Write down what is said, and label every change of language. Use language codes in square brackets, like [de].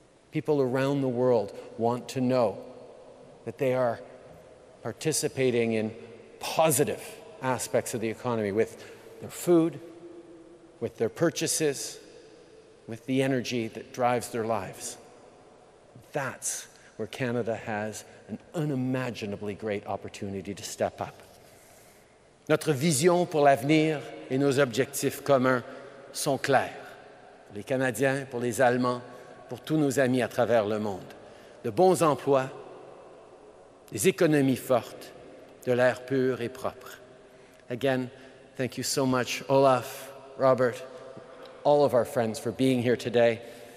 [en] People around the world want to know that they are participating in positive aspects of the economy with their food, with their purchases, with the energy that drives their lives. That's where Canada has an unimaginably great opportunity to step up. [fr] Notre vision pour l'avenir et nos objectifs communs sont clairs. Pour les Canadiens, pour les Allemands, pour tous nos amis à travers le monde. De bons emplois, des économies fortes, de l'air pur et propre. [en] Again, thank you so much, Olaf, Robert, all of our friends for being here today.